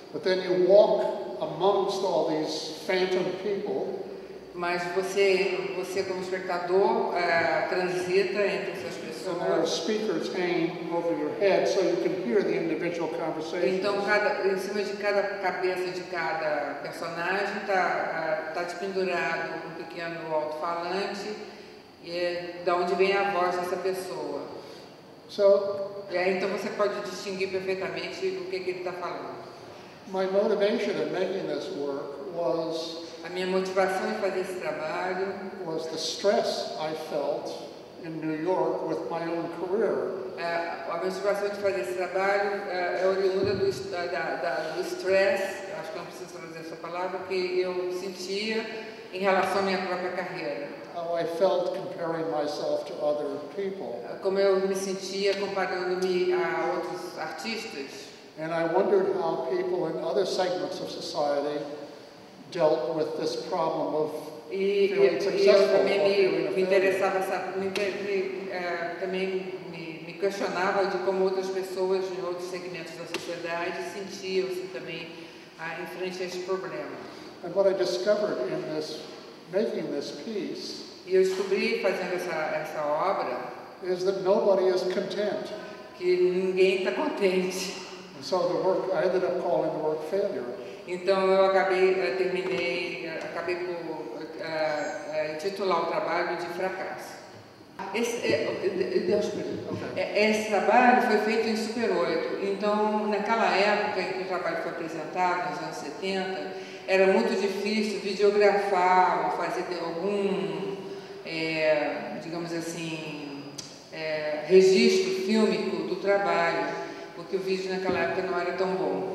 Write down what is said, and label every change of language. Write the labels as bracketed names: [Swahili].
[English] But then you walk amongst all these phantom people. [Portuguese] Mas você como espectador transita entre essas pessoas. [English] And there are speakers hanging over your head, so you can hear the individual conversations. [Portuguese] Então, em cima de cada cabeça de cada personagem tá te pendurado um pequeno alto-falante, e é da onde vem a voz dessa pessoa. [English] So, [Portuguese] e aí, então você pode distinguir perfeitamente o que ele está falando. [English] My motivation in making this work was [Portuguese] a minha motivação em fazer esse trabalho [English] was the stress I felt in New York with my own career. [Portuguese] A motivação de fazer esse trabalho é oriunda do stress, acho que não preciso trazer essa palavra, que eu sentia em relação à minha própria carreira. [English] How I felt comparing myself to other people. [Portuguese] Como eu me sentia comparando-me a outros artistas. [English] And I wondered how people in other segments of society dealt with this problem of feeling successful. [Portuguese] E eu de como outras pessoas de outros segmentos da sociedade sentiam-se também em frente a esse problema. [English] And what I discovered in this making this piece. [Portuguese] E eu descobri fazendo essa obra [English] is that nobody is content. [Portuguese] Que ninguém está contente. [English] And so the work, I ended up calling the work failure. [Portuguese] Então eu acabei por titular o trabalho de fracasso. Esse trabalho foi feito em Super 8. Então, naquela época em que o trabalho foi apresentado, nos anos 70, era muito difícil videografar ou fazer algum, digamos assim, registro fílmico do trabalho, porque o vídeo naquela época não era tão bom.